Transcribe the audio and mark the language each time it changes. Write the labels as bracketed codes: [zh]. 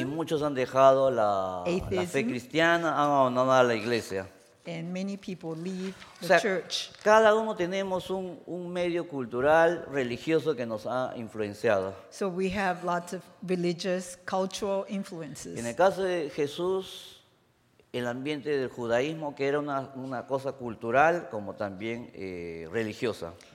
[es] Y muchos han dejado la fe cristiana, han abandonado la iglesia. [en] And many people leave the church. [es] Cada uno tenemos un medio cultural religioso que nos ha influenciado. [en] So we have lots of religious cultural influences. [es] En el caso de Jesús, el ambiente del judaísmo que era una cosa cultural como también religiosa.